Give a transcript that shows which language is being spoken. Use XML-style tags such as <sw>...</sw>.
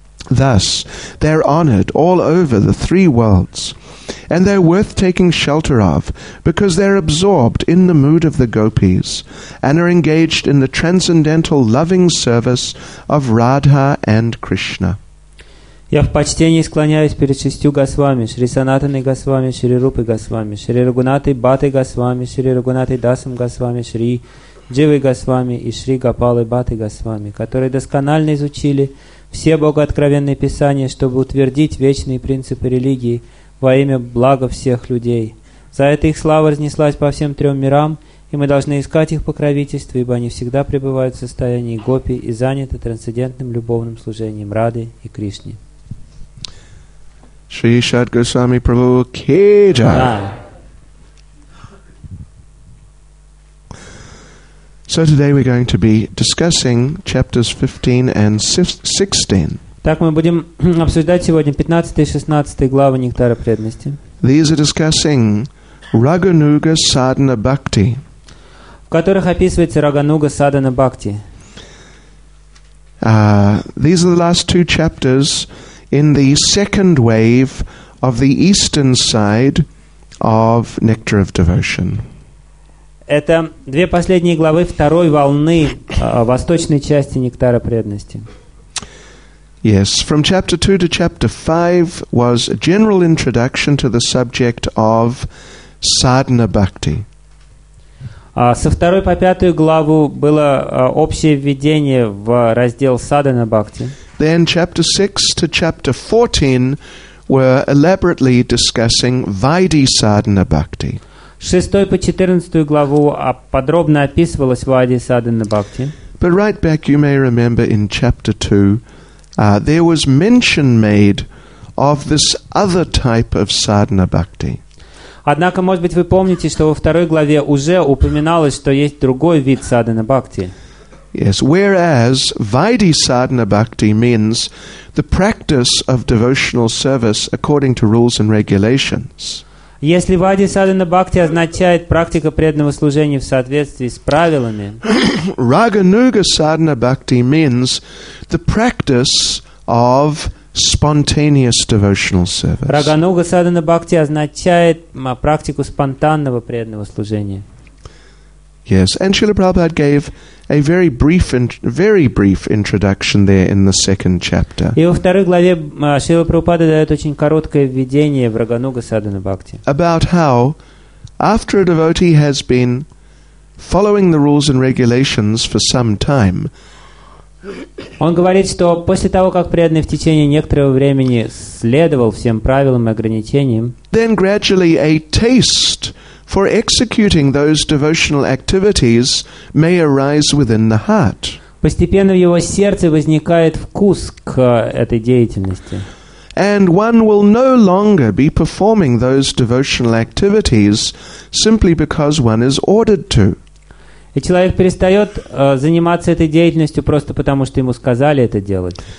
<en>Thus, they are honored all over the three worlds, and they are worth taking shelter of because they are absorbed in the mood of the gopis and are engaged in the transcendental loving service of Radha and Krishna.</en> <ru>Я в почтении склоняюсь перед шестью Госвами, Шри Санатаной Госвами, Шри Рупой Госвами, Шри Рагунатой Бхаттой Госвами, Шри Рагунатой Дасом Госвами, Шри Дживой Госвами и Шри Гопалой Бхаттой Госвами, которые досконально изучили все богооткровенные писания, чтобы утвердить вечные принципы религии во имя блага всех людей. За это их слава разнеслась по всем трем мирам, и мы должны искать их покровительство, ибо они всегда пребывают в состоянии гопи и заняты трансцендентным любовным служением Рады и Кришне.</ru> <hi>Shri Shad Goswami Prabhu Ki Jai.</hi> <en>So today we're going to be discussing chapters 15 and 16.</en> <ru>Так мы будем обсуждать сегодня 15 и 16 главы Нектара Преданности.</ru> <en>These are discussing Raganuga Sadhana Bhakti.</en> <ru>В которых описывается Рагануга Садхана Бхакти.</ru> <en>These are the last two chapters in the second wave of the eastern side of Nectar of Devotion.</en> <ru>Это две последние главы второй волны восточной части Нектара Преданности.</ru> <en>Yes, from chapter 2 to chapter 5 was a general introduction to the subject of sadhana bhakti.</en> <ru>Со второй по пятую главу было общее введение в раздел Садхана Бхакти.</ru> <en>Then chapter 6 to chapter 14 were elaborately discussing Vaidhi Sadhana Bhakti.</en> <ru>С шестой по четырнадцатую главу подробно описывалось Vaidhi Sadhana Bhakti.</ru> <en>But right back, you may remember in chapter 2, there was mention made of this other type of Sadhana Bhakti.</en> <ru>Однако, может быть, вы помните, что во второй главе уже упоминалось, что есть другой вид Садхана Бхакти.</ru> <en>Yes, whereas Vaidhi Sadhana Bhakti means the practice of devotional service according to rules and regulations.</en> <ru>Если вади садхана бхакти означает практика преданного служения в соответствии с правилами,</ru> <en>рагануга садхана бхакти means the practice of spontaneous devotional service.</en> <ru>Рагануга садхана бхакти означает практику спонтанного преданного служения.</ru> <en>Yes, and Srila Prabhupada gave a very brief introduction there in the second chapter.</en> <ru>И во второй главе Шрила Прабхупада дает очень короткое введение в Рагануга Садхана Бхакти.</ru> <en>About how, after a devotee has been following the rules and regulations for some time,</en> <ru>он говорит, что после того, как преданный в течение некоторого времени следовал всем правилам и ограничениям,</ru> <en>then gradually a taste for executing those devotional activities may arise within the heart.</en> <ru>Постепенно в его сердце возникает вкус к этой деятельности.</ru> <en>And one will no longer be performing those devotional activities simply because one is ordered to.</en> <ru>И человек перестает заниматься этой деятельностью просто потому, что ему сказали это делать.</ru>